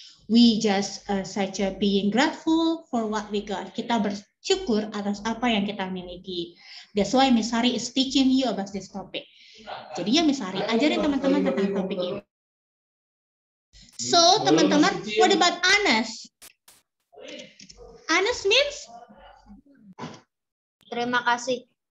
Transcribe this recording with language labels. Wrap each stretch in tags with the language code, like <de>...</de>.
<en>We just such a being grateful for what we got.</en> <id>Kita bersyukur atas apa yang kita miliki.</id> <en>That's why Miss Hari is teaching you about this topic.</en> <id>Jadinya Miss Hari, ajarin teman-teman tentang topik ini.</id> <en>So, teman-teman, what about Anas? Anas means?</en> <id>Terima kasih.</id>